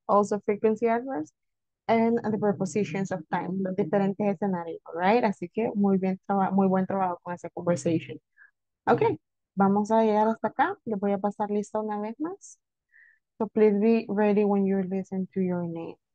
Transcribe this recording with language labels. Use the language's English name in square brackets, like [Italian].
[English] Also frequency adverbs and the prepositions of time. [Spanish] Los diferentes escenarios, right? Así que muy bien, muy buen trabajo con esa conversation. Okay, vamos a llegar hasta acá. Le voy a pasar lista una vez más. [English] So please be ready when you listen to your name.